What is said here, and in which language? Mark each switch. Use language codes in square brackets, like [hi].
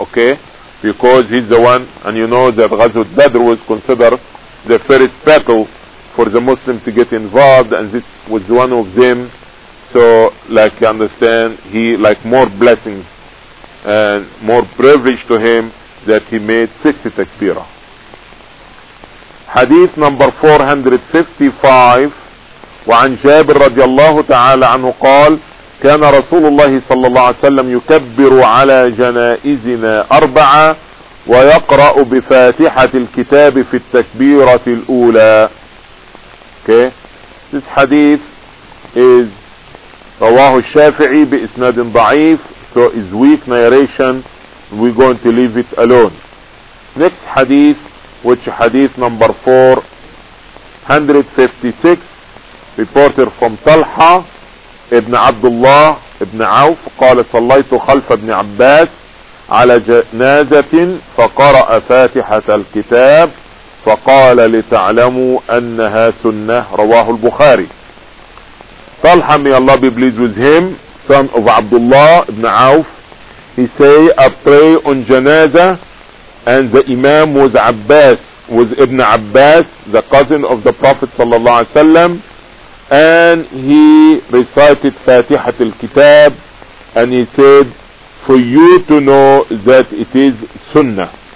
[en] Okay, because he's the one, and you know that Ghazwat Badr was considered the first battle for the Muslims to get involved, and this was one of them. So like you understand, he like more blessing and more privilege to him that he made 60 takbira. Hadith number 455. [ar] وعن جابر رضي الله تعالى عنه قال كان رسول الله صلى الله عليه وسلم يكبر على جنائزنا أربعة ويقرأ بفاتحة الكتاب في التكبيرة الأولى. [en] Okay, this hadith is [ar] رواه الشافعي بإسناد ضعيف, [en] so is weak narration, we're going to leave it alone. Next hadith, which hadith number 456, reported from [ar] طلحة ابن عبد الله ابن عوف قال صليت خلف ابن عباس على جنازة فقرأ فاتحة الكتاب فقال لتعلموا أنها سنة رواه البخاري. [en] طلحة, may Allah be pleased with him, son of Abdullah ibn Auf, he say I pray on janazah, and the imam was Abbas, was Ibn Abbas, the cousin of the Prophet sallallahu alaihi wasallam, and he recited Fatihat al-Kitab, and he said for you to know that it is sunnah.